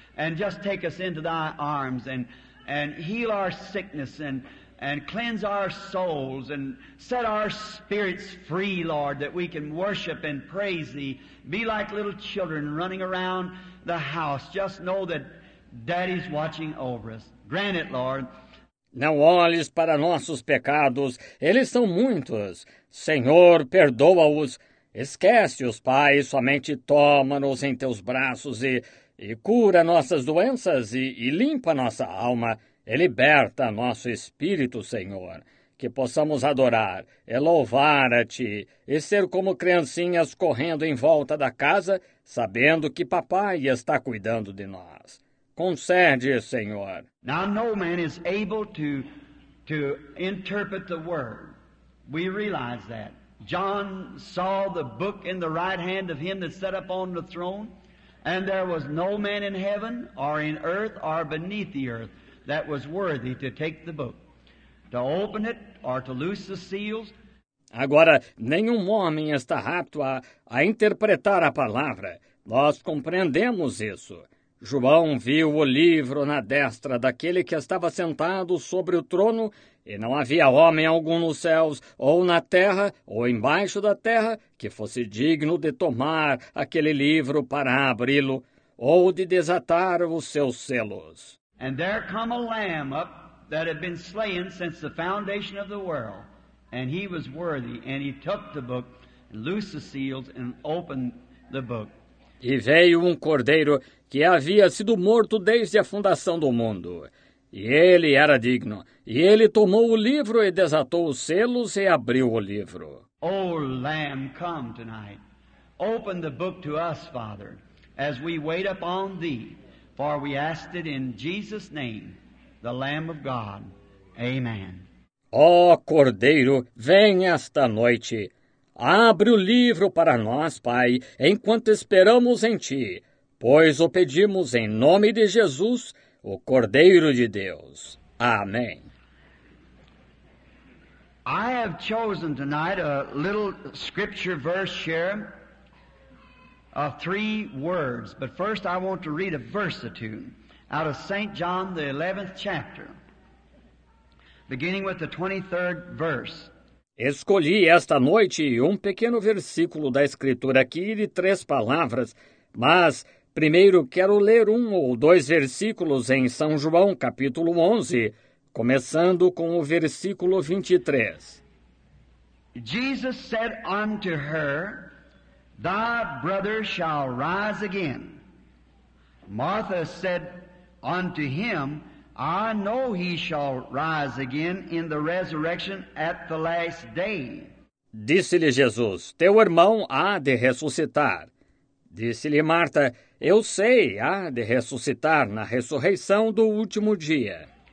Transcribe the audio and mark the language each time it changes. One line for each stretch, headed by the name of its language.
English: And just take us into thy arms and heal our sickness and cleanse our souls and set our spirits free, Lord, that we can worship and praise thee. Be like little children running around the house. Just know that Daddy's watching over us. Grant it, Lord.
Portuguese: Não olhes para nossos pecados. Eles são muitos. Senhor, perdoa-os. Esquece-os, Pai. Somente toma-nos em teus braços e cura nossas doenças e limpa nossa alma e liberta nosso espírito, Senhor. Que possamos adorar e louvar a Ti e ser como criancinhas correndo em volta da casa, sabendo que Papai está cuidando de nós. Concede, Senhor.
English: Now no man is able to interpret the word. We realize that. John saw the book in the right hand of him that sat up on the throne, and there was no man in heaven or in earth or beneath the earth that was worthy to take the book, to open it or to loose the seals.
Portuguese: Agora, nenhum homem está apto a interpretar a palavra. Nós compreendemos isso. João viu o livro na destra daquele que estava sentado sobre o trono, e não havia homem algum nos céus, ou na terra, ou embaixo da terra, que fosse digno de tomar aquele livro para abri-lo, ou de desatar os seus selos.
English: And there come a lamb up that had been slain since the foundation of the world, and he was worthy, and he took the book, and loosed the seals, and opened the book.
Portuguese: E veio um cordeiro que havia sido morto desde a fundação do mundo. E ele era digno. E ele tomou o livro e desatou os selos e abriu o livro.
English: Oh, Lamb, come tonight. Open the book to us, Father, as we wait upon thee. For we ask it in Jesus' name, the Lamb of God. Amen.
Portuguese: Oh, Cordeiro, vem esta noite. Abre o livro para nós, Pai, enquanto esperamos em Ti, pois o pedimos em nome de Jesus, o Cordeiro de Deus. Amém.
English: I have chosen tonight a little scripture verse share of three words, but first I want to read a verse or two out of St. John, the 11th chapter, beginning with the 23rd verse.
Portuguese: Escolhi esta noite um pequeno versículo da Escritura aqui de três palavras, mas primeiro quero ler um ou dois versículos em São João, capítulo 11, começando com o versículo 23.
English: Jesus said unto her, thy brother shall rise again. Martha said unto him, I know he shall rise again in the resurrection at the last day.
Portuguese: Disse-lhe Jesus, teu irmão há de ressuscitar. Disse-lhe Marta, eu sei, há de ressuscitar na ressurreição do último dia.